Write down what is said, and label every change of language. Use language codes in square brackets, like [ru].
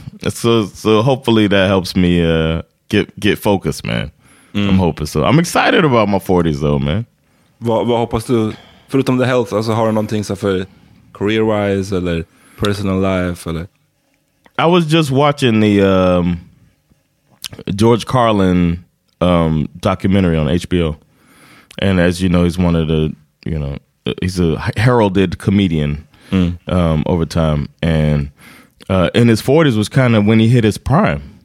[en] So hopefully that helps me get focused, man. I'm hoping so. I'm excited about my 40s, though, man. [sv] Vad hoppas du, förutom [en] the health, [sv] alltså, har du någonting så för career-wise eller [en] personal life? [sv] Eller? [en] I was just watching the George Carlin documentary on HBO. And as you know, he's one of the, you know, he's a heralded comedian over time. And in his 40s was kind of when he hit his prime.